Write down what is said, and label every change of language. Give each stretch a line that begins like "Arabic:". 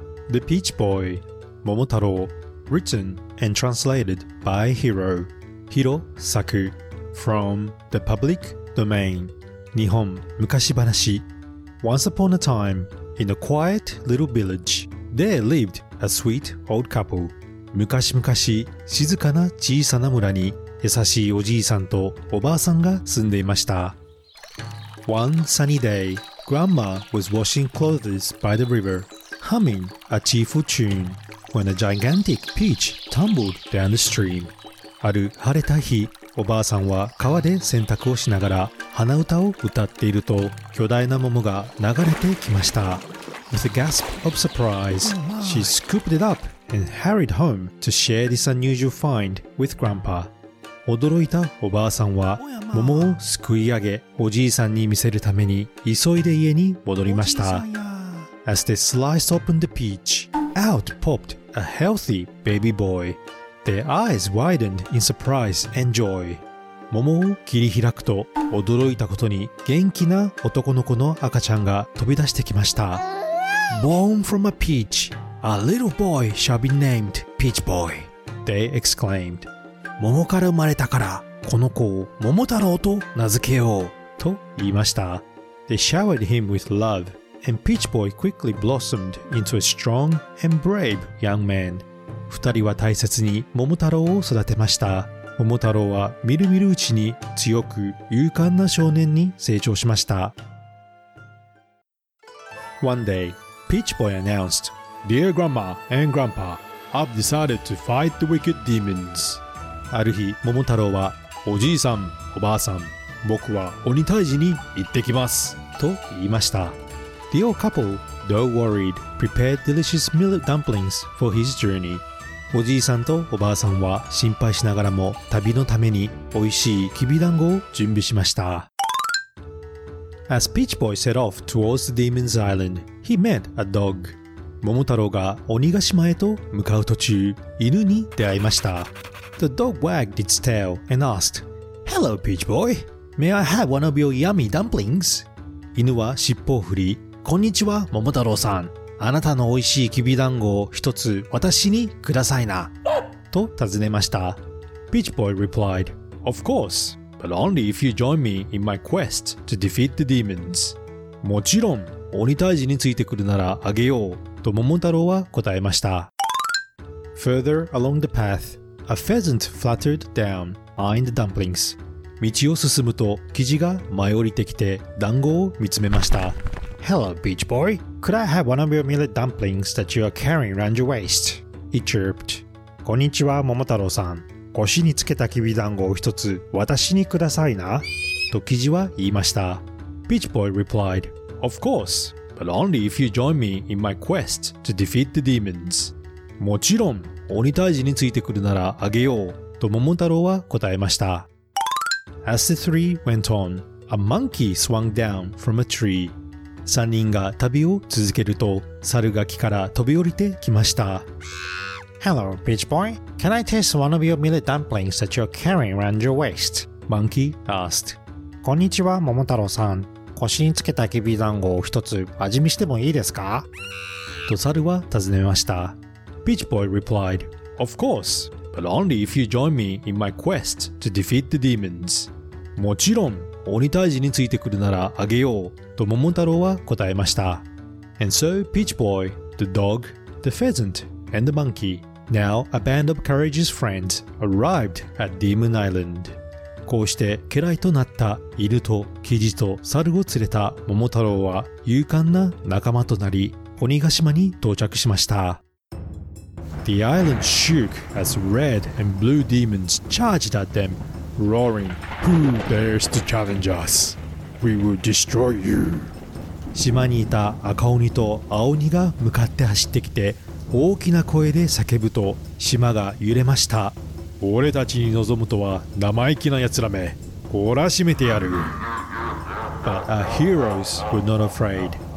English: The Peach Boy、 桃太郎、 Written and Translated by Hiro、 Hiro 作、 From the Public Domain、
Japanese: 日本昔話。
English: Once upon a timeIn a quiet little village, there lived a sweet old couple.
Japanese: 昔々、静かな小さな村に優しいおじいさんとおばあさんが住んでいました。
English: One sunny day, grandma was washing clothes by the river, humming a cheerful tune, when a gigantic peach tumbled down the stream.
Japanese: ある晴れた日、おばあさんは川で洗濯をしながら鼻歌を歌っていると、巨大な桃が流れてきました。
English: With a gasp of surprise, she scooped it up and hurried home to share this unusual find with Grandpa.
Japanese: 驚いたおばあさんは桃をすくい上げおじいさんに見せるために急いで家に戻りました。
English: As they sliced open the peach, out popped a healthy baby boy. Their eyes widened in surprise and joy.
Japanese: 桃を切り開くと驚いたことに元気な男の子の赤ちゃんが飛び出してきました。
English: Born from a peach, a little boy shall be named Peach Boy, they exclaimed.
Japanese: 桃から生まれたからこの子を桃太郎と名付けようと言いました。
English: They showered him with love and Peach Boy quickly blossomed into a strong and brave young man.
Japanese: 二人は大切に桃太郎を育てました。桃太郎はみるみるうちに強く勇敢な少年に成長しました。
English: One day, Peach Boy announced, Dear Grandma and Grandpa, I've decided to fight the wicked demons.
Japanese: ある日、桃太郎は、おじいさん、おばあさん、僕は鬼退治に行ってきます、と言いました。
English: The old couple, though worried, prepared delicious millet dumplings for his journey.
Japanese: おじいさんとおばあさんは心配しながらも、旅のために美味しいきびだんごを準備しました。
English: As Peach Boy set off towards the Demon's Island, he met a dog.
Japanese: 桃太郎が鬼ヶ島へと向かう途中、犬に出会いました。
English: The dog wagged its tail and asked, Hello, Peach Boy. May I have one of your yummy dumplings?
Japanese: 犬は尻尾を振り、こんにちは、桃太郎さん。あなたの美味しいきびだんごを一つ私にくださいな。と尋ねました。
English: Peach Boy replied, Of course, but only if you join me in my quest to defeat the demons.
Japanese: もちろん、鬼退治についてくるならあげよう。と桃太郎は答えました。
English: Further along the path,A pheasant fluttered down, eyeing the dumplings.
Japanese: 道を進むと、キジが舞い降りてきて、団子を見つめました。
English: Hello, Peach Boy. Could I have one of your millet dumplings that you are carrying around your waist? He chirped.
Japanese: こんにちは、桃太郎さん。腰につけたきび団子を一つ、私にくださいな。とキジは言いました。
English: Peach Boy replied, Of course, but only if you join me in my quest to defeat the demons.
Japanese: もちろん。鬼退治についてくるならあげようと桃太郎は答えました。
English: As the three went on, a monkey swung down from a tree.
Japanese: 3人が旅を続けると猿が木から飛び降りてきました。
English: Hello, Peach Boy. Can I taste one of your millet dumplings that you're carrying around your waist? Monkey asked.
Japanese: こんにちは、桃太郎さん。腰につけたきび団子を一つ味見してもいいですか？と猿は尋ねました。
English: Peach Boy replied, Of course, but only if you join me in my quest to defeat the demons.
Japanese: もちろん、鬼退治についてくるならあげよう、と桃太郎は答えました。
English: And so Peach Boy, the dog, the pheasant, and the monkey, now a band of courageous friends, arrived at Demon Island.
Japanese: こうして、家来となった犬とキジと猿を連れた桃太郎は勇敢な仲間となり、鬼ヶ島に到着しました。
English: The island shook as red and blue demons charged at them, roaring, Who dares to challenge us? We will destroy you.
Japanese: 島にいた赤鬼と青鬼が向かって走ってきて、大きな声で叫ぶと島が揺れました。俺たちに望むとは生意気な奴らめ、懲らしめてやる。
English: But our heroes were not afraid.